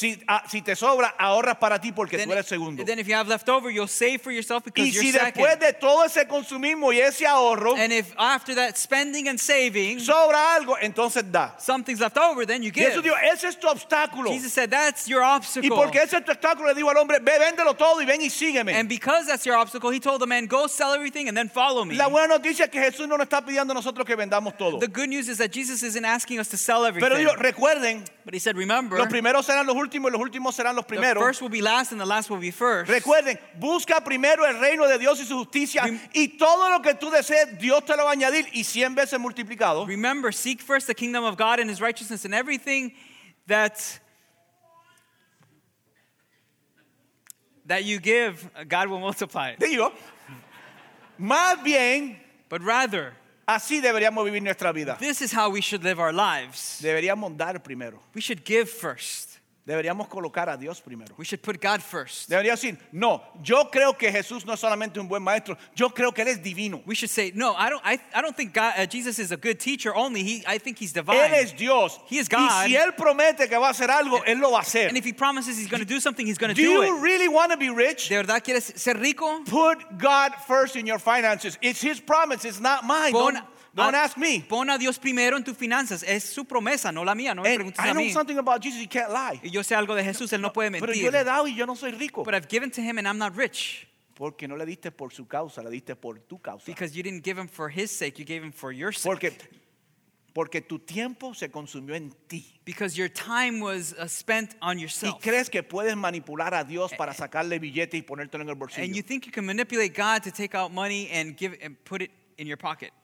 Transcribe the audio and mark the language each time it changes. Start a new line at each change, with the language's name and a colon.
Spanish: Si te sobra, ahorras para ti porque tú eres segundo.
English: Then if you have left over, you'll save for yourself because you're
Spanish: si
English: second.
Spanish: Y si después de todo ese consumismo y ese ahorro,
English: and if after that spending and saving,
Spanish: sobra algo, entonces da.
English: Something's left over, then you give.
Spanish: Y Jesús dijo, ese es tu obstáculo.
English: Jesus said that's your obstacle.
Spanish: Y porque ese es tu obstáculo, le digo al hombre, ve, véndelo todo y ven y sígueme.
English: And because that's your obstacle, he told the man, go sell everything and then follow me.
Spanish: La buena noticia es que Jesús no nos está pidiendo a nosotros que vendamos todo.
English: The good news is that Jesus isn't asking us to sell everything.
Spanish: Pero dijo, recuerden,
English: but he said, remember,
Spanish: los primeros serán los últimos y los últimos serán los primeros.
English: The first will be last and the last will be first.
Spanish: Recuerden, busca primero el reino de Dios y su justicia y todo lo que tú desees, Dios te lo va a añadir y 100 veces multiplicado.
English: Remember, seek first the kingdom of God and his righteousness and everything that you give, God will multiply. There you go.
Spanish: Más bien,
English: but rather,
Spanish: así deberíamos vivir nuestra vida.
English: This is how we should live our lives.
Spanish: Deberíamos dar primero.
English: We should give first.
Spanish: Deberíamos colocar a Dios primero.
English: We should put God first.
Spanish: Deberíamos decir, no, yo creo que Jesús no es solamente un buen maestro, yo creo que él es divino.
English: We should say, no, I don't think Jesus is a good teacher only, I think he's divine.
Spanish: Él es Dios.
English: He is God.
Spanish: Y si él promete que va a hacer algo, él lo va a hacer.
English: And if he promises he's going to do something, he's going to do it. Do you really want to be rich?
Spanish: ¿De verdad quieres ser rico?
English: Put God first in your finances. It's his promise, it's not mine. Don't ask me.
Spanish: Pon a Dios primero en tus finanzas. Es su promesa, no la mía. No me preguntes a mí.
English: I know something about Jesus. He can't lie.
Spanish: Y yo sé algo de Jesús. Él no puede mentir. Pero yo le he dado y yo no soy rico.
English: But I've given to him and I'm not rich.
Spanish: Porque no le diste por su causa. Le diste por tu causa.
English: Because you didn't give him for his sake. You gave him for your sake.
Spanish: Porque tu tiempo se consumió en ti.
English: Because your time was spent on yourself.
Spanish: Y crees que puedes manipular a Dios para sacarle billete y ponértelo en el bolsillo.
English: And you think you can manipulate God to take out money and give and put it in your pocket.